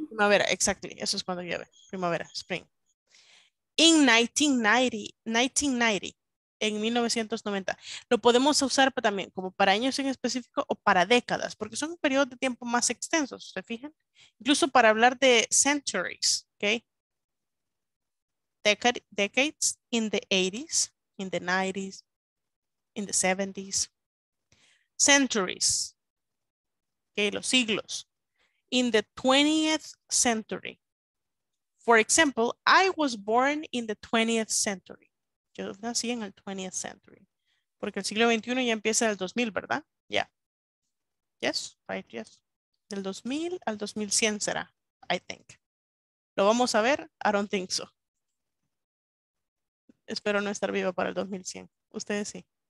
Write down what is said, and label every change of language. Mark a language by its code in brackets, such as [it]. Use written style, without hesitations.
[es] Primavera, [en] exactly. [es] Eso es cuando llueve. Primavera, [en] spring. In 1990, [es] en 1990, lo podemos usar también como para años en específico o para décadas, porque son periodos de tiempo más extensos, ¿se fijan? Incluso para hablar de centuries, ¿ok? [en] Decades, in the 80s, in the 90s, in the 70s. [es] Centuries, ¿ok? Los siglos. [en] In the 20th century. For example, I was born in the 20th century. [es] Yo nací en el [en] 20th century. [es] Porque el siglo XXI ya empieza en el 2000, ¿verdad? [en] Yeah. Yes, right, yes. [es] Del 2000 al 2100 será, [en] I think. [es] ¿Lo vamos a ver? [en] I don't think so. [es] Espero no estar viva para el 2100. Ustedes sí.